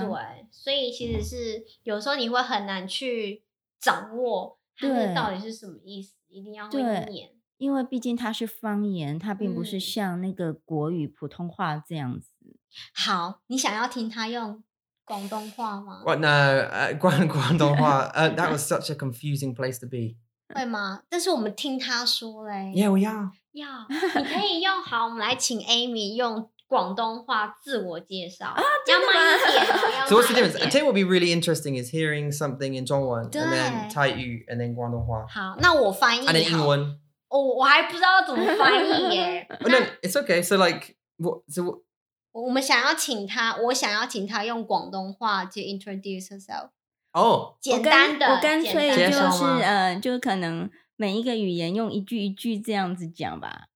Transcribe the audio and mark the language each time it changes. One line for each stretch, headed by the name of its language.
Chinese: 对，所以其实是有时候你会很难去掌握它到底是什么意思，一定要会念。对，因为毕竟它是方言，它并不是像那个国语普通话这样子，嗯，好，你想要听他用广东话吗？
English: What, no, 广东话that was such a confusing place to be。
Chinese: 会吗？但是我们听他说勒。 Yeah, 我要要，yeah, 你可以用好，我们来请 Amy 用广东话自我介绍啊，要慢一点。
English: So what's the difference? I tell you what would be really interesting is hearing something in 中文 and then 泰语 and then 广东话。
Chinese: 好，那我翻译。
English: And then 英文。
Chinese: 哦，我还不知道怎么翻译耶。
English: Oh, no, it's okay. So like, what? So what?
Chinese: 我们想要请他，我想要请他用广东话
English: to introduce herself。哦，
Chinese: 简单的，我干脆就是就可能每一个语言用一句一句这样子讲吧。